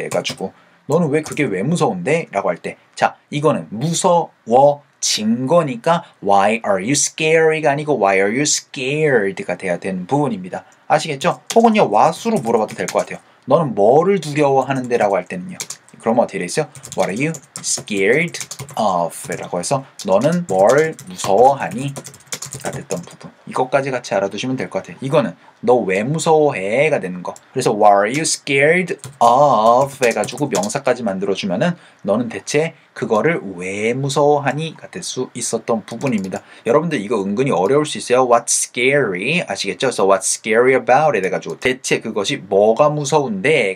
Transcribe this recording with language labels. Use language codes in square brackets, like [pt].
[ko] 해가지고 너는 왜 그게 왜 무서운데? 라고 할 때 자 이거는 무서워 진 거니까 [en] Why are you scary [ko] 가 아니고 [en] Why are you scared [ko] 가 돼야 되는 부분입니다. 아시겠죠? 혹은요 what으로 물어봐도 될 것 같아요. 너는 뭐를 두려워하는데? 라고 할 때는요. 그러면 어떻게 되겠어요? [en] What are you scared of? [ko] 라고 해서 너는 뭘 무서워하니? 가 됐던 부분. 이것까지 같이 알아두시면 될 것 같아요. 이거는 너 왜 무서워해? 가 되는 거. [en] 그래서 What are you scared of? [ko] 해가지고 명사까지 만들어주면은 너는 대체 그거를 왜 무서워하니? 가 될 수 있었던 부분입니다. 여러분들 이거 은근히 어려울 수 있어요. [en] What's scary? [ko] 아시겠죠? [en] So what's scary about it? [ko] 해가지고 대체 그것이 뭐가 무서운데?